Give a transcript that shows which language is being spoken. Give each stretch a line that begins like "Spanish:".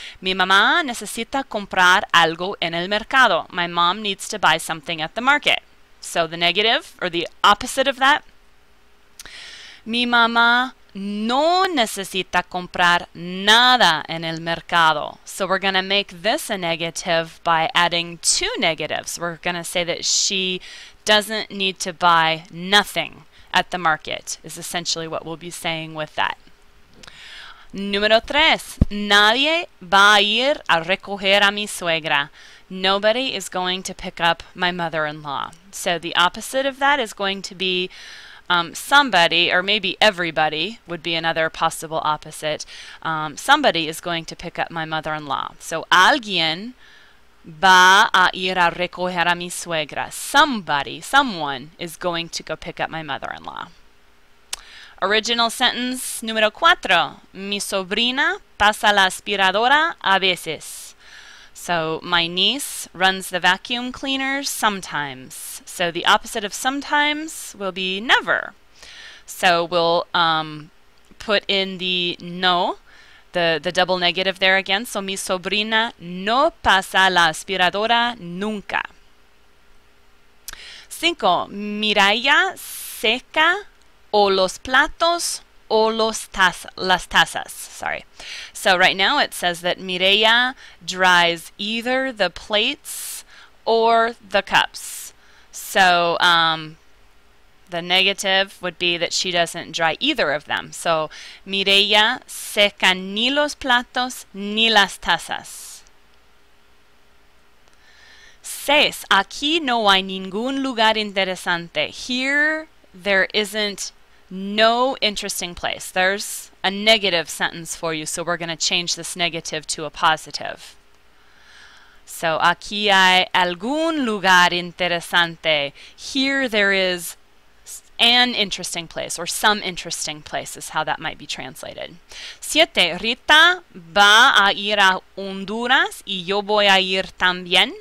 Spanish: Mi mamá necesita comprar algo en el mercado.
English: My mom needs to buy something at the market. So the negative, or the opposite of that,
Spanish: mi mamá no necesita comprar nada en el mercado.
English: So we're going to make this a negative by adding 2 negatives. We're going to say that she doesn't need to buy nothing at the market, is essentially what we'll be saying with that.
Spanish: Número 3. Nadie va a ir a recoger a mi suegra.
English: Nobody is going to pick up my mother-in-law. So the opposite of that is going to be somebody, or maybe everybody would be another possible opposite. Somebody is going to pick up my mother-in-law.
Spanish: So alguien va a ir a recoger a mi suegra.
English: Somebody, someone is going to go pick up my mother-in-law. Original sentence
Spanish: número 4. Mi sobrina pasa la aspiradora a veces.
English: So my niece runs the vacuum cleaner sometimes. So the opposite of sometimes will be never. So we'll put in the no, the double negative there again.
Spanish: So mi sobrina no pasa la aspiradora nunca. 5. Mireia seca o los platos o las tazas.
English: Sorry. So right now it says that Mireia dries either the plates or the cups. So the negative would be that she doesn't dry either of them.
Spanish: So Mireia seca ni los platos ni las tazas. 6. Aquí no hay ningún lugar interesante.
English: Here there isn't no interesting place. There's a negative sentence for you, so we're going to change this negative to a positive.
Spanish: So, aquí hay algún lugar interesante.
English: Here there is an interesting place, or some interesting place is how that might be translated. 7.
Spanish: Rita va a ir a Honduras y yo voy a ir también.